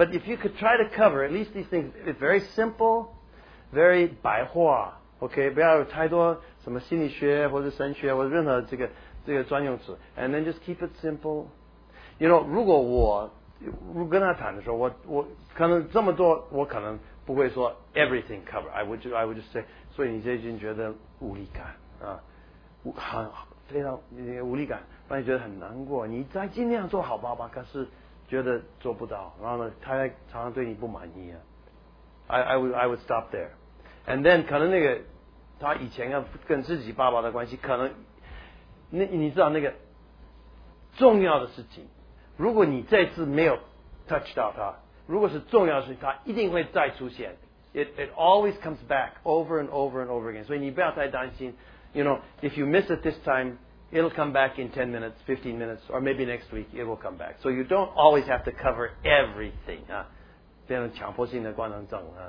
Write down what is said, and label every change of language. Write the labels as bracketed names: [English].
[English] But if you could try to cover at least these things, it's very simple, very 白话 ，OK? [Chinese] 不要有太多什么心理学或者神学或者任何这个专用词。 [English] And then just keep it simple. You know, [Chinese] 如果跟他谈的时候，我可能这么多，我可能不会说 [English] everything cover. I would just say, [Chinese] 所以你最近觉得无力感啊，很好。非常无力感，让你觉得很难过，你再尽量做好爸爸，可是觉得做不到，然后呢他常常对你不满意啊。 [English] I would stop there. And then [Chinese] 可能那个他以前要跟自己爸爸的关系，可能你知道那个重要的事情，如果你这次没有 touch 到他，如果是重要的事情，他一定会再出现。 [English] It always comes back over and over and over again, [Chinese] 所以你不要太担心。 [English] You know, if you miss it this time, it'll come back in 10 minutes, 15 minutes, or maybe next week, it will come back. So you don't always have to cover everything. [Chinese] 变成强迫性的观众症。